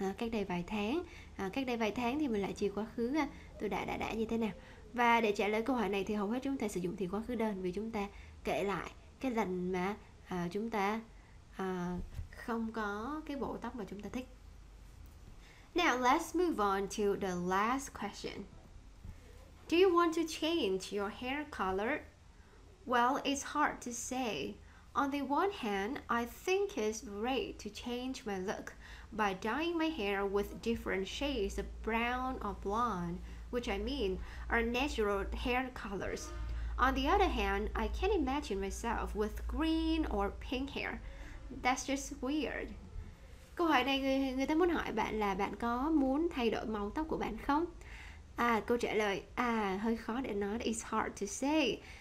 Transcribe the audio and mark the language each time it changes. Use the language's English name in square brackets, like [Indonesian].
[Vietnamese] Cách đây vài tháng thì mình lại chia quá khứ ha. Tôi đã như thế nào. Và để trả lời câu hỏi này thì hầu hết chúng ta sử dụng thì quá khứ đơn, vì chúng ta kể lại cái lần mà chúng ta không có cái bộ tóc mà chúng ta thích. [English] Now let's move on to the last question. Do you want to change your hair color? Well, it's hard to say. On the one hand, I think it's great to change my look by dyeing my hair with different shades of brown or blonde, which I mean are natural hair colors. On the other hand, I can't imagine myself with green or pink hair. That's just weird. [Vietnamese] Câu hỏi này người ta muốn hỏi bạn là bạn có muốn thay đổi màu tóc của bạn không? Câu trả lời, hơi khó để nói, it's hard to say.